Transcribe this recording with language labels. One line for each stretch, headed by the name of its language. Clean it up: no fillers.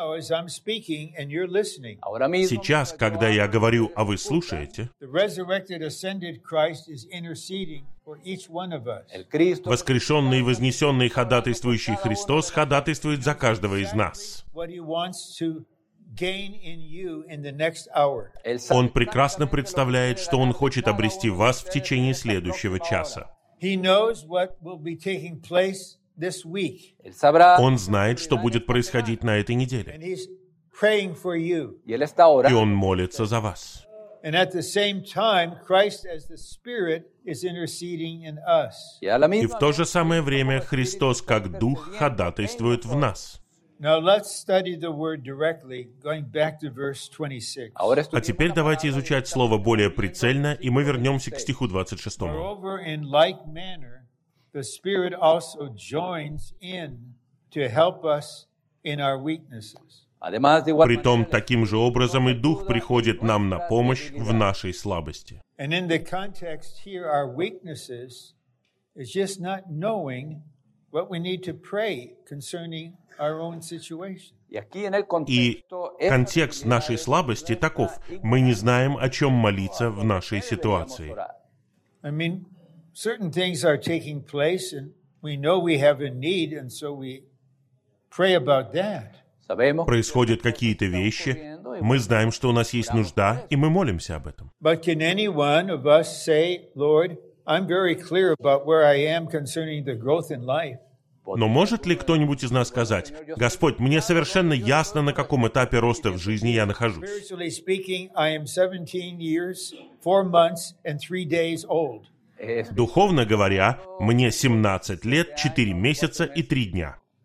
Russian: Сейчас, когда я говорю, а вы слушаете, воскрешенный и вознесенный ходатайствующий Христос ходатайствует за каждого из нас. Он прекрасно представляет, что Он хочет обрести вас в течение следующего часа.
English: He knows what will be taking place this week.
Russian: Он знает, что будет происходить на этой неделе.
English: And he's praying for you.
Russian: И он молится за вас.
English: And at the same time, Christ as the Spirit is interceding in us.
Russian: И в то же самое время Христос как Дух ходатайствует в нас.
English: Now let's study the word directly, going back to verse 26.
Russian: А теперь давайте изучать слово более прицельно, и мы вернемся к стиху 26.
English: Moreover, in like manner, the Spirit also joins in to help us in our weaknesses.
Russian: Притом, таким же образом и Дух приходит нам на помощь в нашей слабости.
English: And in the context here, our weaknesses is just not knowing what we need to pray concerning our own situation.
Russian: И контекст нашей слабости таков: мы не знаем, о чем молиться в нашей ситуации.
English: I mean, certain things are taking place, and we know we have a need, and so we pray about that.
Russian: Происходят какие-то вещи, мы знаем, что у нас есть нужда, и мы молимся об этом.
English: But can anyone of us say, Lord, I'm very clear about where I am concerning the growth in life?
Russian: Но может ли кто-нибудь из нас сказать: «Господь, мне совершенно ясно, на каком этапе роста в жизни я нахожусь?» Духовно говоря, мне 17 лет, 4 месяца и 3 дня.